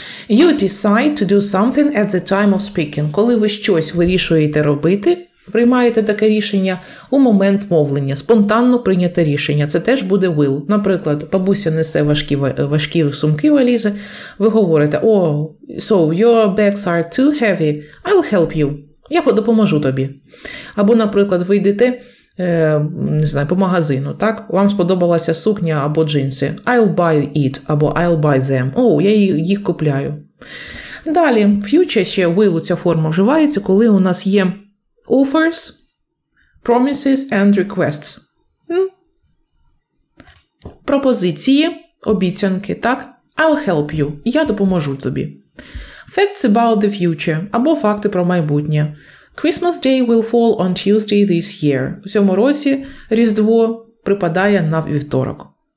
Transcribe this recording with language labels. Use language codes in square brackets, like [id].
[en] You decide to do something at the time of speaking. [uk] Коли ви щось вирішуєте робити, приймаєте таке рішення у момент мовлення, спонтанно прийняте рішення. Це теж буде will. Наприклад, бабуся несе важкі сумки валізи. [en] Ви говорите, so your bags are too heavy, I'll help you. [uk] Я допоможу тобі. Або, наприклад, ви йдете по магазину, так? Вам сподобалася сукня або джинси. [en] I'll buy it, або I'll buy them. Я їх купляю. [uk] Далі, future ще will, ця форма вживається, коли у нас є offers, promises and requests. Пропозиції, обіцянки, так? [en] I'll help you, я допоможу тобі. Facts about the future, або факти про майбутнє. Christmas Day will fall on Tuesday this year. [uk] У цьому році Різдво припадає на вівторок.